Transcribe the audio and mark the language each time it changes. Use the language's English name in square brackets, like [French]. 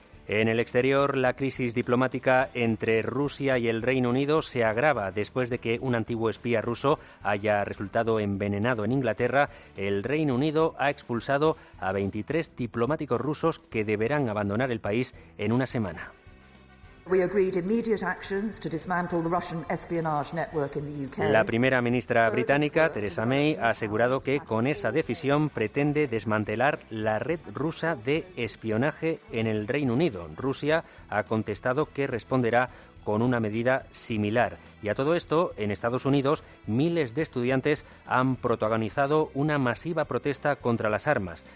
[Spanish] En el exterior, la crisis diplomática entre Rusia y el Reino Unido se agrava después de que un antiguo espía ruso haya resultado envenenado en Inglaterra. El Reino Unido ha expulsado a 23 diplomáticos rusos que deberán abandonar el país en una semana. [English] We agreed immediate actions to dismantle the Russian espionage network in the UK. [Spanish] La primera ministra británica, Theresa May, ha asegurado que con esa decisión pretende desmantelar la red rusa de espionaje en el Reino Unido. Rusia ha contestado que responderá con una medida similar. Y a todo esto, en Estados Unidos, miles de estudiantes han protagonizado una masiva protesta contra las armas.